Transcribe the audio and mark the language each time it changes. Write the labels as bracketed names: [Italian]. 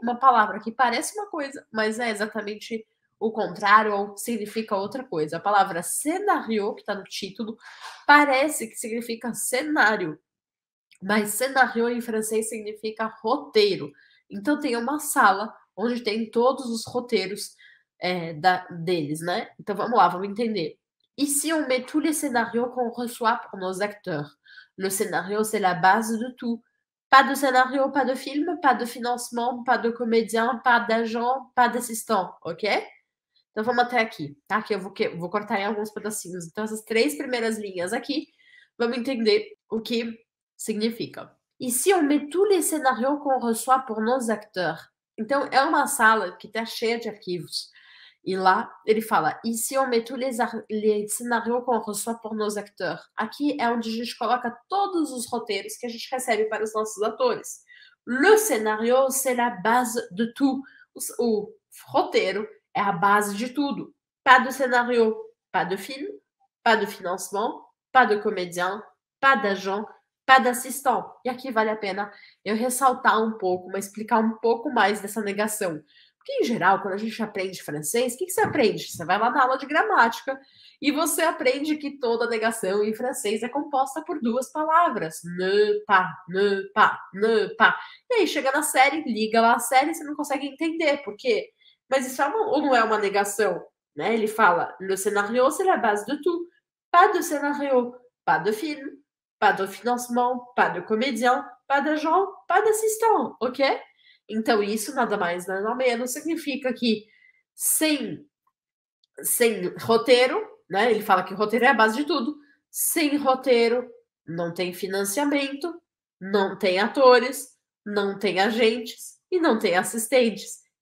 [Portuguese] Uma palavra que parece uma coisa, mas é exatamente o contrário, ou significa outra coisa. A palavra scénario, que está no título, parece que significa cenário, mas scénario em francês significa roteiro. Então, tem uma sala onde tem todos os roteiros. Deles, né? Então vamos lá, vamos entender. [French] Ici, on met tous les scénarios qu'on reçoit pour nos acteurs. Le scénario, c'est la base de tout. Pas de scénario, pas de film, pas de financement, pas de comédien, pas d'agent, pas d'assistant, ok? [Portuguese] Então vamos até aqui, tá? Aqui eu vou cortar em alguns pedacinhos. Então essas três primeiras linhas aqui, vamos entender o que significa. [French] Ici, on met tous les scénarios qu'on reçoit pour nos acteurs. [Portuguese] Então é uma sala que está cheia de arquivos. E lá ele fala, [French] ici on met tous les scénarios qu'on reçoit pour nos acteurs. [Portuguese] Aqui é onde a gente coloca todos os roteiros que a gente recebe para os nossos atores. [French] Le scénario, c'est la base de tout. [Portuguese] O roteiro é a base de tudo. [French] Pas de scénario, pas de film, pas de financement, pas de comédien, pas d'agent, pas d'assistant. [Portuguese] E aqui vale a pena eu ressaltar um pouco, mas explicar um pouco mais dessa negação. Porque, em geral, quando a gente aprende francês, o que que você aprende? Você vai lá na aula de gramática e você aprende que toda negação em francês é composta por duas palavras. [French] Ne pas, ne pas, ne pas. [Portuguese] E aí chega na série, liga lá a série, você não consegue entender por quê. Mas isso é ou não é uma negação, né? Ele fala, [French] le scénario, c'est la base de tout. Pas de scénario, pas de film, pas de financement, pas de comédien, pas d'agent, pas d'assistant, ok? [Portuguese] Então, isso nada mais nada menos significa que sem roteiro, né? Ele fala que o roteiro é a base de tudo. Sem roteiro, não tem financiamento, não tem atores, não tem agentes e não tem assistentes.